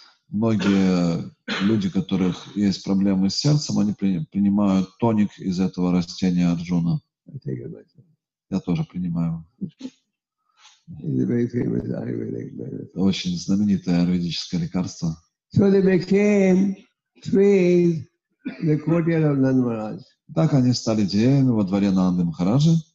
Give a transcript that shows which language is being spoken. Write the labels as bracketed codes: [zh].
[ru] Многие люди, у которых есть проблемы с сердцем, они принимают тоник из этого растения Арджуна. Я тоже принимаю. Это очень знаменитое аюрведическое лекарство. [en] So they became trees in the courtyard of Nanda Maharaj. [ru] Так они стали деревьями во дворе Нанды Махараджи.